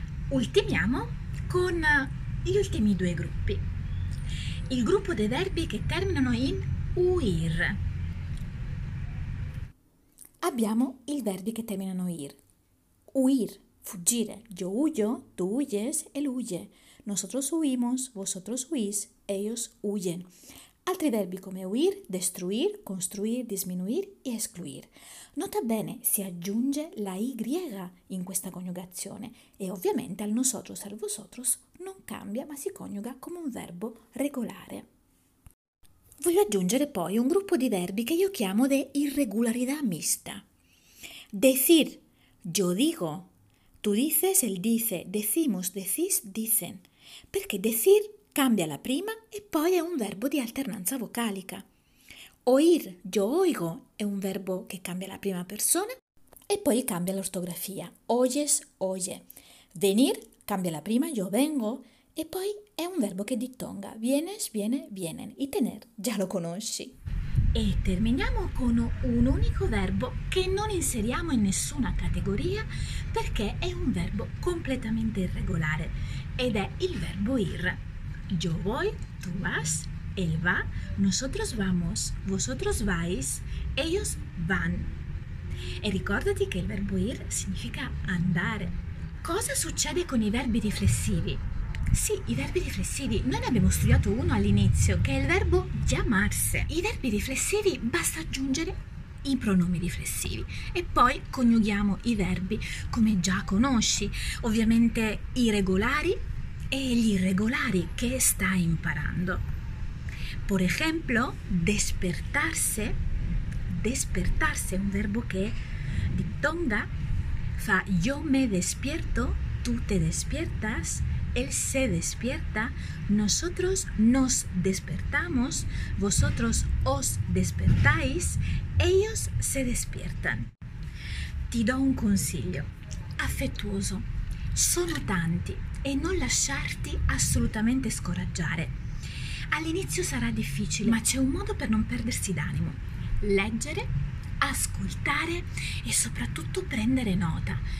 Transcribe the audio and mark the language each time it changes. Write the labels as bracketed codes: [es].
[it] Ultimiamo con gli ultimi due gruppi. Il gruppo dei verbi che terminano in uir. Abbiamo i verbi che terminano ir. [es] Huir, fuggire. Yo huyo, tú huyes, él huye. Nosotros huimos, vosotros huís, ellos huyen. [it] Altri verbi come huir, destruir, construir, disminuir e excluir. Nota bene, si aggiunge la y in questa coniugazione e ovviamente al nosotros, al vosotros non cambia, ma si coniuga come un verbo regolare. Voglio aggiungere poi un gruppo di verbi che io chiamo [es] de irregularidad mixta. Decir, yo digo, tú dices, él dice, decimos, decís, dicen. [it] Perché decir cambia la prima e poi è un verbo di alternanza vocalica. [es] Oír, yo oigo, [it] è un verbo che cambia la prima persona e poi cambia l'ortografia. [es] Oyes, oye. Venir [it] cambia la prima, [es] yo vengo. [it] E poi è un verbo che dittonga, [es] vienes, viene, vienen. [it] I tener, già lo conosci. E terminiamo con un unico verbo che non inseriamo in nessuna categoria perché è un verbo completamente irregolare ed è il verbo ir. [es] Yo voy, tú vas, él va, nosotros vamos, vosotros vais, ellos van. [it] E ricordati che il verbo ir significa andare. Cosa succede con i verbi riflessivi? Sì, i verbi riflessivi, noi ne abbiamo studiato uno all'inizio, che è il verbo chiamarsi. I verbi riflessivi basta aggiungere i pronomi riflessivi e poi coniughiamo i verbi come già conosci, ovviamente i regolari e gli irregolari che stai imparando. [es] Por ejemplo, despertarse, [it] despertarse è un verbo che dittonga, fa [es] yo me despierto, tú te despiertas. Él se despierta, nosotros nos despertamos, vosotros os despertáis, ellos se despiertan. [it] Ti do un consiglio affettuoso, sono tanti e non lasciarti assolutamente scoraggiare. All'inizio sarà difficile, ma c'è un modo per non perdersi d'animo. Leggere, ascoltare e soprattutto prendere nota.